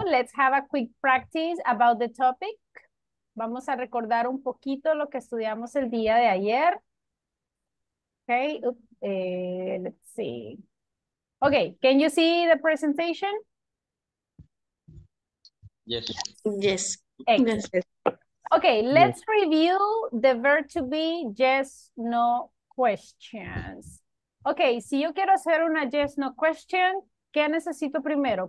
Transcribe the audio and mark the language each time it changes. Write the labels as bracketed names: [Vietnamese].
[English] Let's have a quick practice about the topic. [Spanish] Vamos a recordar un poquito lo que estudiamos el día de ayer. [English] Okay, let's see. Okay, can you see the presentation? Yes. Yes. Excellent. Yes. Okay, let's yes. review the verb to be, yes, no questions. [Spanish] Okay, si yo quiero hacer una yes, no question, ¿qué necesito primero?